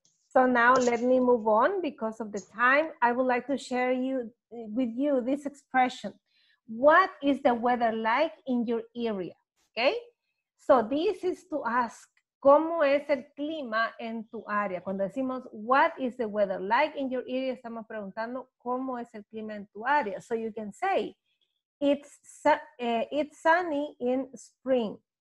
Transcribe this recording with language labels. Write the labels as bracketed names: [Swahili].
[English] So now let me move on because of the time. I would like to share with you this expression. What is the weather like in your area? Okay? So this is to ask, [Spanish] ¿cómo es el clima en tu área? Cuando decimos, [English] what is the weather like in your area? [Spanish] Estamos preguntando, ¿cómo es el clima en tu área? [English] So you can say, it's sunny in spring.